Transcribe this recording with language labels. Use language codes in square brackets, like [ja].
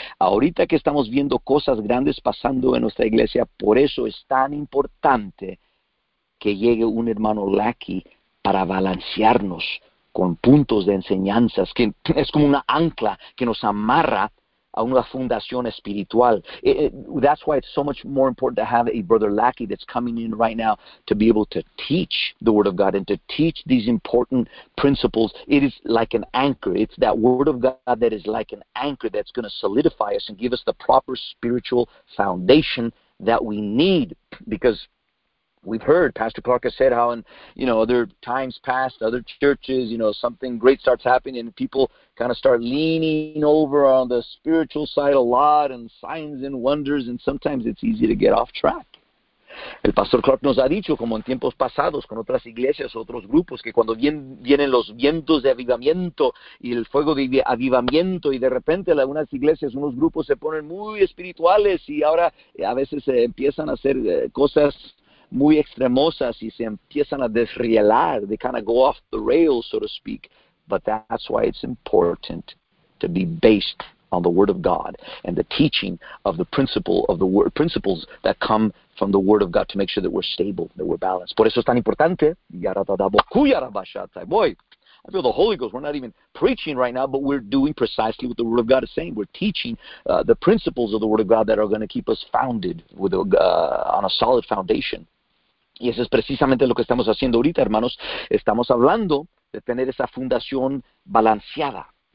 [es] Ahorita que estamos viendo cosas grandes pasando en nuestra iglesia, por eso es tan importante que llegue un hermano Lackey para balancearnos con puntos de enseñanzas, que es como una ancla que nos amarra a una fundación espiritual. [en] That's why it's so much more important to have a brother Lackey that's coming in right now to be able to teach the Word of God and to teach these important principles. It is like an anchor. It's that Word of God that is like an anchor that's going to solidify us and give us the proper spiritual foundation that we need, because we've heard Pastor Clark has said how in, you know, other times past, other churches, you know, something great starts happening and people kind of start leaning over on the spiritual side a lot and signs and wonders, and sometimes it's easy to get off track. [es] El Pastor Clark nos ha dicho como en tiempos pasados con otras iglesias, otros grupos, que cuando vienen los vientos de avivamiento y el fuego de avivamiento y de repente algunas iglesias, unos grupos se ponen muy espirituales y ahora a veces empiezan a hacer cosas muy extremosas y se empiezan a desrielar. [en] They kind of go off the rails, so to speak. But that's why it's important to be based on the Word of God and the teaching of the principle of the word, principles that come from the Word of God to make sure that we're stable, that we're balanced. [es] Por eso es tan importante. [en] Boy, I feel the Holy Ghost. We're not even preaching right now, but we're doing precisely what the Word of God is saying. We're teaching the principles of the Word of God that are going to keep us founded with on a solid foundation. [es] Y eso es precisamente lo que estamos haciendo ahorita, hermanos. Estamos hablando de tener esa fundación balanceada.